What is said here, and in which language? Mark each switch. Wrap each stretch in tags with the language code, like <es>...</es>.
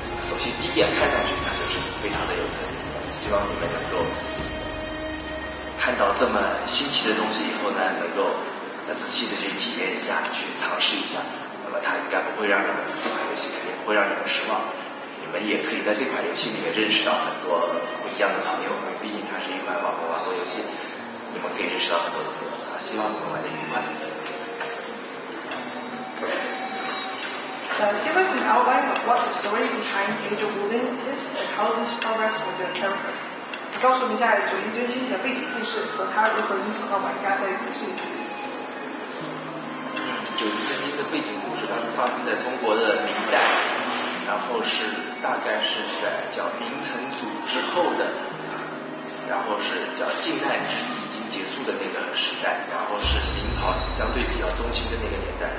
<zh>首先第一眼看上去它就是非常的有特点，希望你们能够看到这么新奇的东西以后呢，能够仔细的去体验一下，去尝试一下，那么它应该不会让你们，这款游戏肯定不会让你们失望，我们也可以在这款游戏里面认识到很多不一样的朋友，毕竟它是一款网络网络游戏，你们可以认识到很多的朋友，希望你们玩得愉快。</zh> <en>Give us an outline of what the story behind Age of Wulin is and how this progress with the character.</en> <zh>告诉我们一下《九阴真经》的背景故事和它如何影响到玩家在游戏里。九阴真经的背景故事，它是发生在中国的明代，然后是大概是在叫明成祖之后的，然后是叫近代之已经结束的那个时代，然后是明朝相对比较中兴的那个年代。</zh>